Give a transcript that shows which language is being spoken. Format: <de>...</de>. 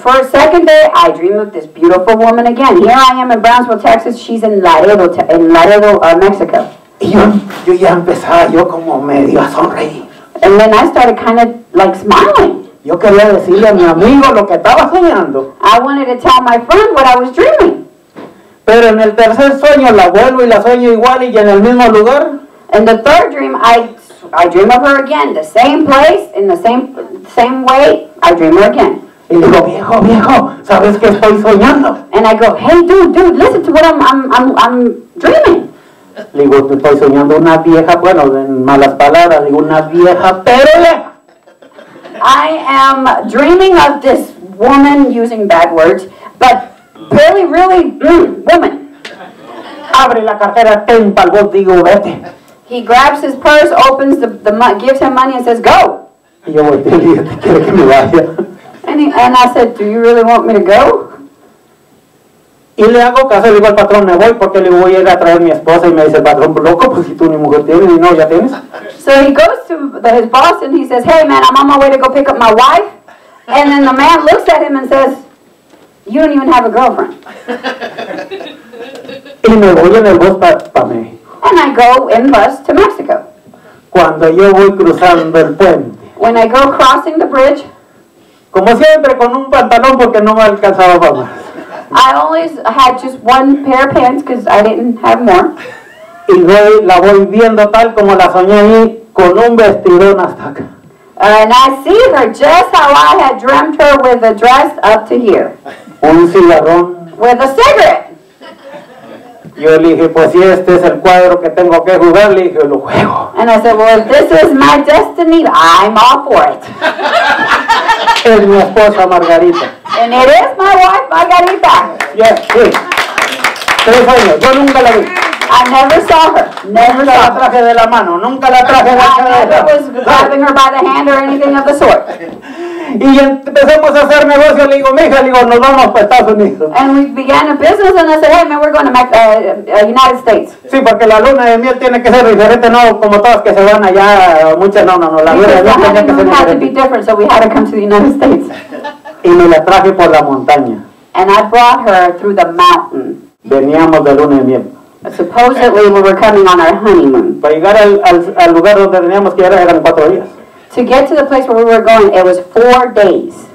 <en>Second day, I dream of this beautiful woman again. Here I am in Brownsville, Texas. She's in Laredo, Mexico.</en> <es>Yo ya empezaba, yo como medio a sonreír.</es> <en>And then I started kind of like smiling.</en> <es>Yo quería decirle a mi amigo lo que estaba soñando.</es> <en>I wanted to tell my friend what I was dreaming.</en> <es>Pero en el tercer sueño la vuelvo y la sueño igual y en el mismo lugar.</es> <en>In the third dream, I dream of her again, the same place, in the same way, I dream her again.</en> <es>Y digo, viejo, viejo, ¿sabes qué estoy soñando?</es> <en>And I go, hey, dude, listen to what I'm dreaming.</en> <es>Le digo, te estoy soñando una vieja, bueno, en malas palabras, digo, una vieja perra.</es> <en>I am dreaming of this woman, using bad words, but really, really, woman.</en> <es>Abre la cartera, ten pal vos, digo, vete.</es> <en>He grabs his purse, opens the gives him money, and says, go.</en> <es>Y yo volteo, le digo, ¿te quiere que me vaya?</es> <en>And I said, do you really want me to go?</en> <es>Y le hago caso, le digo al patrón, me voy, porque le voy a ir a traer a mi esposa. Y me dice, patrón, loco, pues si tú ni mujer tienes, ni novia tienes.</es> <en>So he goes to his boss and he says, hey man, I'm on my way to go pick up my wife. And then the man looks at him and says, you don't even have a girlfriend.</en> <es>Y me voy en el bus para México.</es> <en>And I go in bus to Mexico.</en> <es>Cuando yo voy cruzando el puente.</es> <en>When I go crossing the bridge.</en> <es>Como siempre, con un pantalón porque no me alcanzaba para más.</es> <en>I always had just one pair of pants because I didn't have more.</en> <es>Y la voy viendo tal como la soñé ahí, con un vestidón hasta acá.</es> <en>And I see her just how I had dreamt her, with a dress up to here.</en> <es>Un cigarrón.</es> <en>With a cigarette.</en> <es>Yo le dije, pues si este es el cuadro que tengo que jugar, le dije, lo juego.</es> <en>And I said, well, if this is my destiny, I'm all for it.</en> <es>Es mi esposa Margarita.</es> <en>And it is my wife, Margarita.</en> <es>Yes, sí. 3 años, yo nunca la vi.</es> <en>I never saw her. Never saw</en> <es>la traje</es> <en>her.</en> <es>De la mano. Nunca la traje</es> <en>I</en> <es>de</es> <en>never</en> <es>la</es> <en>was grabbing her by the hand or anything of the sort.</en> <es>Y empezamos a hacer negocio, le digo, mija, le digo, nos vamos para Estados Unidos.</es> <en>And we began a business and I said, hey, man, we're going to make United States.</en> <es>Sí, porque la luna de miel tiene que ser diferente, no como todas que se van allá, muchas, no, la luna de miel tiene que ser diferente.</es> <en>Had to be different, so we had to come to the United States.</en> <es>Y me la traje por la montaña.</es> <en>And I brought her through the mountain.</en> <es>Veníamos de luna de miel.</es> <en>Supposedly, we were coming on our honeymoon.</en> <es>Para llegar al lugar donde teníamos que llegar eran 4 días.</es> <en>To get to the place where we were going, it was 4 days.</en>